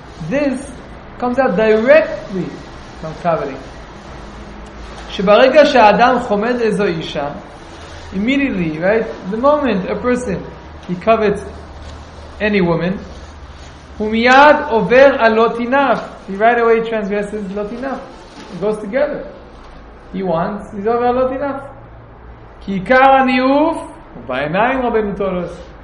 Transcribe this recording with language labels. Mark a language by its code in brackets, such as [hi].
[en] This comes out directly from coveting. [he] שברגע שהאדם חומד איזו אישה, [en] immediately, right? The moment a person, he covets any woman, [he] הוא מיד עובר על לא תנאף. [en] He right away transgresses לא תנאף. It goes together. he wants is over a lot enough. [he] Ki ikar ha-ni'uf ba'enayim Rabbeinu Tolos.